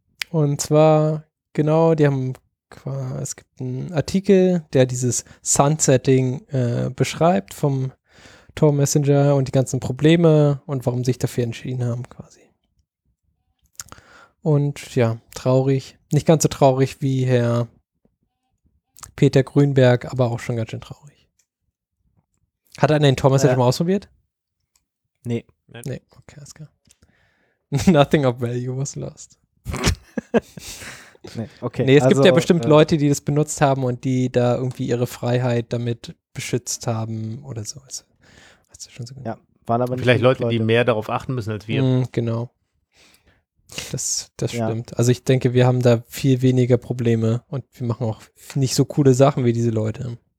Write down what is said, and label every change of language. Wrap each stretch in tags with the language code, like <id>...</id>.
<de>Und zwar, genau, die haben quasi, es gibt einen Artikel, der dieses Sunsetting beschreibt vom Tor-Messenger und die ganzen Probleme und warum sie sich dafür entschieden haben, quasi. Und ja, traurig. Nicht ganz so traurig wie Herr Peter Grünberg, aber auch schon ganz schön traurig. Hat er den Thomas schon mal ausprobiert? Nee. Okay, alles klar.</de> <en>Nothing of value was lost.</en> <de>Es gibt bestimmt Leute, die das benutzt haben und die da irgendwie ihre Freiheit damit beschützt haben oder so. Hast du schon so gesagt? Ja, waren aber nicht vielleicht Leute, die mehr darauf achten müssen als wir. Genau. Das stimmt. Also ich denke, wir haben da viel weniger Probleme und wir machen auch nicht so coole Sachen wie diese Leute.</de>